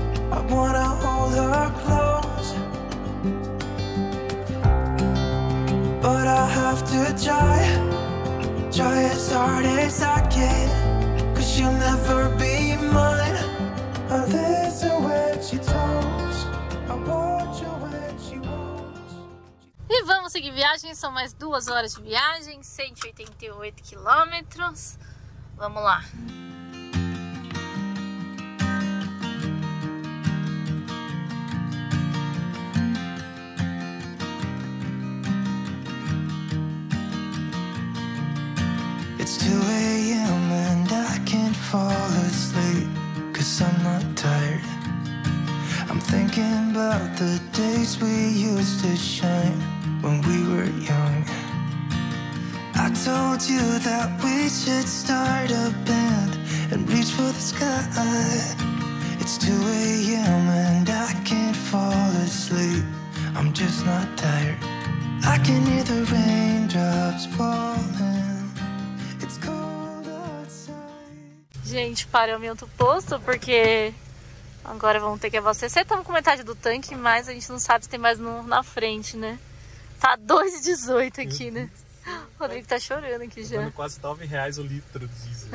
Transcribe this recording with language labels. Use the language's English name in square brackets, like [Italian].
[English] I wanna hold her close, but I have to try. Try as hard as I can, 'cause she'll never be mine. I listen when she talks. I watch her when she walks. [Portuguese] E vamos seguir viagem, são mais 2 horas de viagem, 188 quilômetros. Vamos lá. [English] It's 2 a.m. and I can't fall asleep, 'cause I'm not tired. I'm thinking about the days we used to shine. When we were young, I told you that we should start a band and reach for the sky. It's 2 a.m. and I can't fall asleep. I'm just not tired. I can hear the raindrops falling. It's cold outside. [Portuguese] Gente, paramos em outro posto porque agora vamos ter que abastecer. Estamos com metade do tanque, mas a gente não sabe se tem mais um na frente, né? Tá 2,18 aqui, né? O Rodrigo tá chorando aqui já. Tá quase R$9 o litro de diesel.